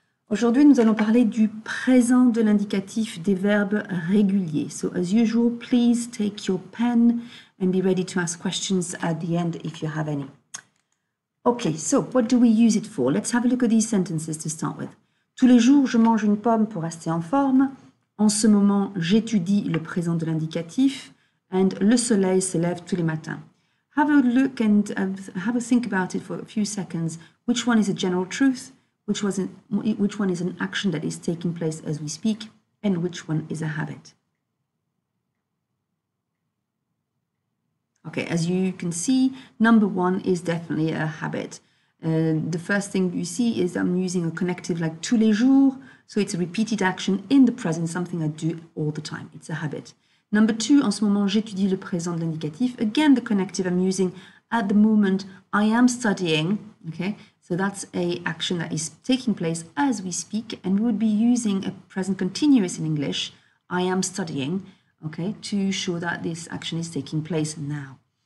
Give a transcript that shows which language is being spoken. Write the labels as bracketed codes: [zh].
[fr] Aujourd'hui, nous allons parler du présent de l'indicatif des verbes réguliers. [en] So, as usual, please take your pen and be ready to ask questions at the end if you have any. Okay, so, what do we use it for? Let's have a look at these sentences to start with. [fr] Tous les jours, je mange une pomme pour rester en forme. En ce moment, j'étudie le présent de l'indicatif. And le soleil se lève tous les matins. [en] Have a look and have a think about it for a few seconds. Which one is a general truth? Which one is an action that is taking place as we speak, and which one is a habit? Okay, as you can see, number one is definitely a habit. The first thing you see is I'm using a connective like [fr] tous les jours, [en] so it's a repeated action in the present, something I do all the time. It's a habit. [fr] Number two, en ce moment, j'étudie le présent de l'indicatif. [en] Again, the connective I'm using at the moment, I am studying, okay? So that's a action that is taking place as we speak, and we would be using a present continuous in English, I am studying, okay, to show that this action is taking place now.